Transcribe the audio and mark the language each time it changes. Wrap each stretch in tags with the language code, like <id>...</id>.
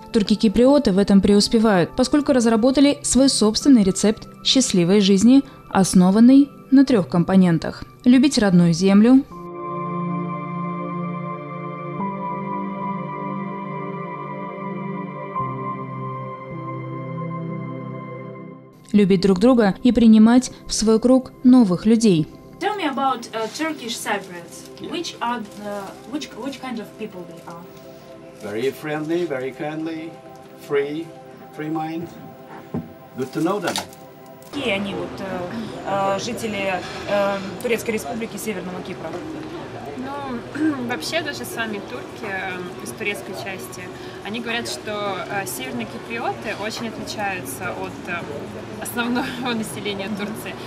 <ru>Турки-киприоты в этом преуспевают, поскольку разработали свой собственный рецепт счастливой жизни, основанный на 3 компонентах. Любить родную землю, любить друг друга и принимать в свой круг новых людей.</ru> <en>Tell me about Turkish Cypriots. Yeah. Which kind of people they are? Very friendly, very kindly, free mind. Good to know them.</en> <ru>Какие они вот жители Турецкой Республики Северного Кипра? Ну, вообще даже сами турки из турецкой части, они говорят, что северные киприоты очень отличаются от основного населения Турции.</ru>